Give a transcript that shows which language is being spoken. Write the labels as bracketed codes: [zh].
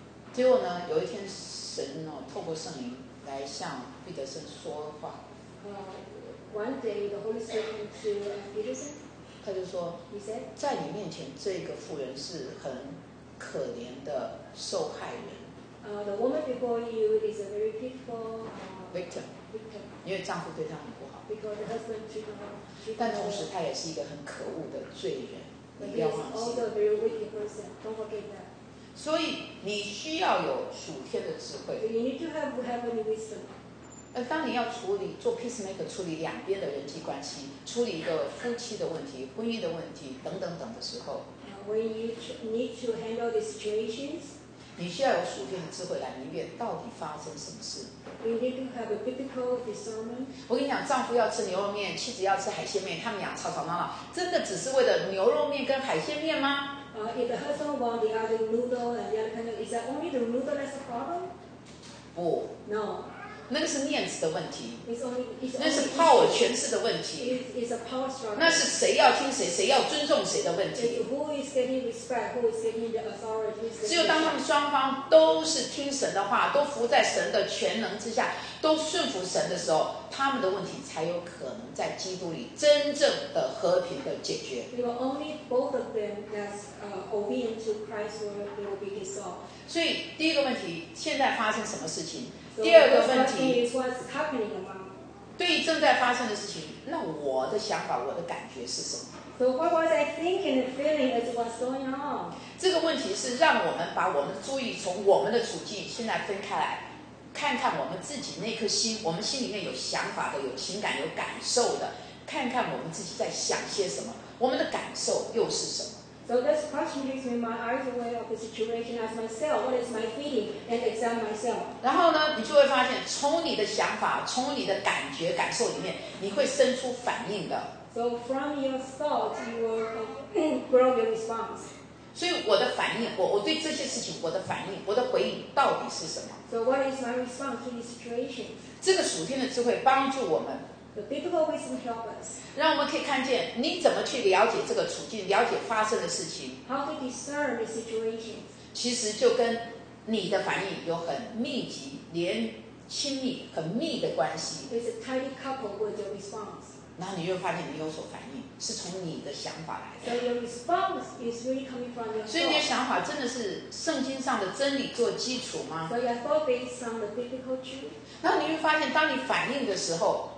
[zh] 结果呢，有一天神哦透过圣灵来向彼得森说话。 [en] One day the Holy Spirit came to Peterson. [zh] 他就说 [en] said, [zh] 在你面前这个妇人是很可怜的受害人。 [en] The woman before you is a very pitiful [zh] victim. 因为丈夫对她很不好。 [en] Because the husband treated her. [zh] 但同时她也是一个很可恶的罪人。 [en] He is a very wicked person. Don't forget that. [zh] 所以你需要有属天的智慧。 [en] You need to have heavenly wisdom. [zh] 当你要处理做 peacemaker 处理两边的人际关系，处理一个夫妻的问题、婚姻的问题等等等的时候 [en] ，When you need to handle the situations， [zh] 你需要有属天的智慧来明辨到底发生什么事。 [en] You need to have a biblical discernment。 [zh] 我跟你讲，丈夫要吃牛肉面，妻子要吃海鲜面，他们俩吵吵闹闹，真的只是为了牛肉面跟海鲜面吗？ [en] If the husband wants the other noodle and the other kind of, is that only the noodle that's the problem? [zh] 不。 [en] No. [zh] 那个是面子的问题。 [en] It's only, it's [zh] 那是 power 权势的问题。 [en] It's a power struggle. [zh] 那是谁要听谁，谁要尊重谁的问题。 [en] Who is getting respect? Who is getting the authority? [zh] 只有当他们双方都是听神的话，都服在神的全能之下，都顺服神的时候，他们的问题才有可能在基督里真正的和平的解决。 [en] If only both of them that's obedient to Christ's word, they will be dissolved. [zh] 所以第一个问题，现在发生什么事情？ [en] So、 [zh] 第二个问题 [en] is what's happening among. [zh] 对正在发生的事情，那我的想法我的感觉是什么？ [en] So what was I thinking and feeling as what's going on? [zh] 这个问题是让我们把我们的注意从我们的处境现在分开来，看看我们自己那颗心，我们心里面有想法的，有情感，有感受的，看看我们自己在想些什么，我们的感受又是什么。 [en] So this question takes me my eyes away of the situation as myself. What is my feeling? And examine myself. [zh] 然后呢，你就会发现，从你的想法，从你的感觉、感受里面，你会生出反应的。 [en] So from your thoughts, you will grow your response. [zh] 所以我的反应，我对这些事情，我的反应，我的回应到底是什么 [en] ？So what is my response to the situation? [zh] 这个属天的智慧帮助我们。 [en] The biblical wisdom help us. [zh] 让我们可以看见你怎么去了解这个处境，了解发生的事情。 [en] How to discern the situation. [zh] 其实就跟你的反应有很密集、连亲密、很密的关系。 [en] It's a tightly coupled with your response. [zh] 然后你就发现你有所反应是从你的想法来的。 [en] So your response is really coming from your thought. [zh] 所以你的想法真的是圣经上的真理做基础吗 [en] ？So your thought based on the biblical truth. [zh] 然后你会发现，当你反应的时候，